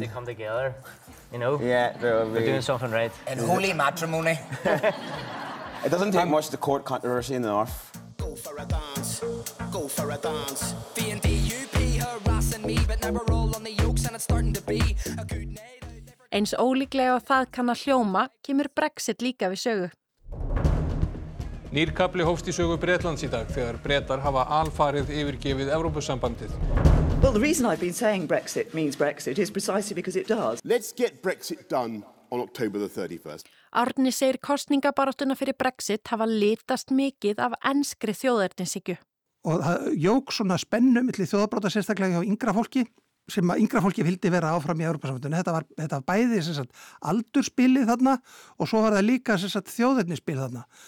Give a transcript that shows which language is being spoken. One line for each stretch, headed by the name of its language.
English: They come together, you know. Yeah, they're doing something right. In holy matrimony. It doesn't take much to court controversy in the north. Go for a dance. Go for a dance. The NDUP harassing me, but now we're all on the yokes and it's starting to be a good night.
Icelandic: Eins ólíklega og það kann að hljóma, kemur Brexit líka við sögu. Nýr kafli hófst í sögu Bretlands í dag þegar Bretar hafa alfarið yfirgefið Evrópusambandið.
English: Well, the reason I've been saying Brexit means Brexit is precisely because it does. Let's get Brexit done on October the 31st.
Icelandic: Árni segir kosningabaráttuna fyrir Brexit hafa litast mikið af enskri þjóðernishyggju. Og það jók svona spennu milli þjóðabrota sérstaklega hjá yngra fólki sem að yngra fólki vildi vera áfram í Evrópusambandinu. Þetta var bæði sagt, aldurspilið þarna og svo var það líka sagt, þjóðernispilið þarna.